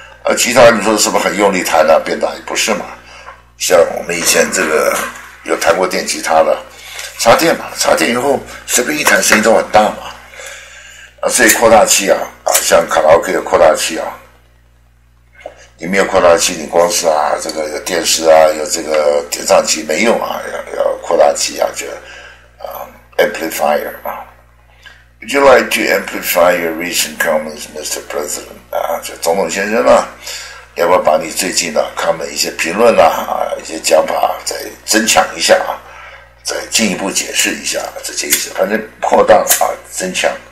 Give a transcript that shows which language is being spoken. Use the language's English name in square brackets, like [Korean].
[Chinese] 啊，吉他你说是不是很用力弹啊，变大也不是嘛。像我们以前这个有弹过电吉他的，插电嘛，插电以后随便一弹声音都很大嘛。啊，所以扩大器啊，啊，像卡拉 OK 的扩大器啊，你没有扩大器，你光是啊这个有电视啊，有这个点唱机没用啊，要扩大器啊，就啊 amplifier 啊。 [English] Would you like to amplify your recent comments, Mr. President? [Chinese] 啊，就总统先生啊，要不要把你最近的comment一些评论啊，啊，一些讲法再增强一下啊，再进一步解释一下这些意思，反正扩大啊，增强。